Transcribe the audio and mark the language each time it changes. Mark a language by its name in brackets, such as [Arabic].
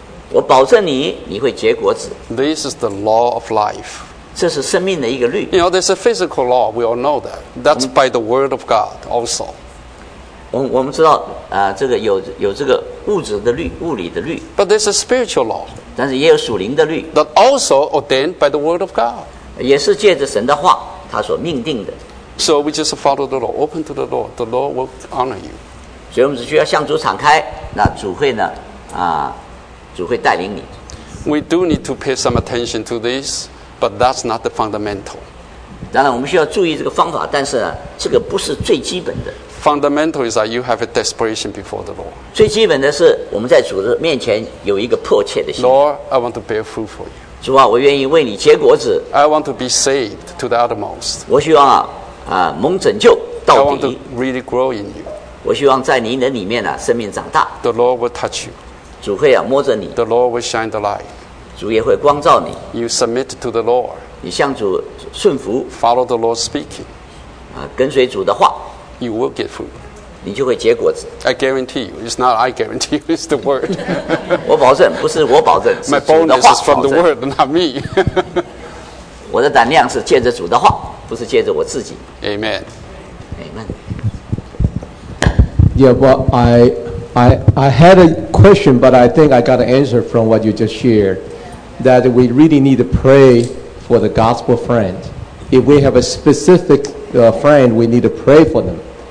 [Chinese] 我保证你会结果子。 [English] This is the law of life. [Chinese] 这是生命的一个律。 [English] You know, there's a physical law. We all know that. That's by the word of God also. [Chinese] 我们知道，这个有这个物质的律，物理的律。 [English] But there's a spiritual law. [Chinese] 但是也有属灵的律。 [English] That also ordained by the word of God. [Chinese] 也是借着神的话，他所命定的。 [English] So we just follow the law, open to the law. The law will honor you. [Chinese] 所以我们只需要向主敞开，那主会呢？主会带领你。 [English] We do need to pay some attention to this, but that's not the fundamental. [Chinese] 当然，我们需要注意这个方法，但是呢，这个不是最基本的。 [English] Fundamental is that you have a desperation before the Lord. [Chinese] 最基本的是我们在主的面前有一个迫切的心。 [English] Lord, I want to bear fruit for you. [Chinese] 主啊，我愿意为你结果子。 [English] I want to be saved to the uttermost. [Chinese] 我希望蒙拯救到底。 [English] I want to really grow in you. [Chinese] 我希望在您的里面生命长大。 [English] The Lord will touch you. [Chinese] 主会摸着你。 [English] The Lord will shine the light. [Chinese] 主也会光照你。 [English] You submit to the Lord. [Chinese] 你向主顺服。 [English] Follow the Lord's speaking. [Chinese] 跟随主的话。 [English] You will get fruit. [Chinese] 你就会结果子。 [English] I guarantee you. It's not I guarantee you. It's the word. [Chinese] 我保证，不是我保证，是主的话保证。 [English] My bonus is from the word, not me. [Chinese] 我的胆量是借着主的话，不是借着我自己。 [English] Amen. Amen. Yeah, well, I had a question, but I think I got an answer from what you just shared. That we really need to pray for the gospel friend. If we have a specificfriend, we need to pray for them.